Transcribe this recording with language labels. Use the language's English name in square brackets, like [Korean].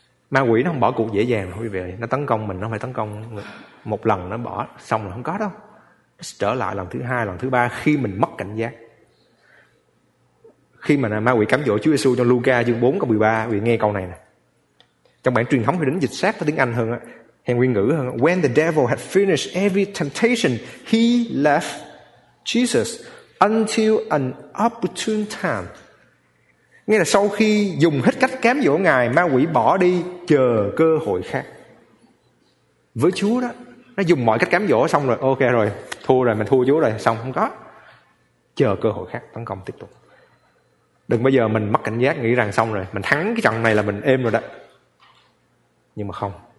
[Vietnamese] Ma quỷ nó không bỏ cuộc dễ dàng quý vị. Nó tấn công mình, nó không phải tấn công một lần nó bỏ xong là không có đâu. Nó trở lại lần thứ hai, lần thứ ba khi mình mất cảnh giác. Khi mà ma quỷ cám dỗ Chúa Giêsu trong Luca chương 4 câu 13, quý vị nghe câu này nè. Trong bản truyền thống thì đến dịch sát tiếng Anh hơn á, hay nguyên ngữ hơn. [English] When the devil had finished every temptation, he left Jesus until an opportune time. [Vietnamese] Nghĩa là sau khi dùng hết cách cám dỗ Ngài, ma quỷ bỏ đi chờ cơ hội khác. Với Chúa đó, nó dùng mọi cách cám dỗ xong rồi, ok rồi, thua rồi, mình thua Chúa rồi, xong không có. Chờ cơ hội khác, tấn công tiếp tục. Đừng bao giờ mình mất cảnh giác, nghĩ rằng xong rồi, mình thắng cái trận này là mình êm rồi đó. Nhưng mà không.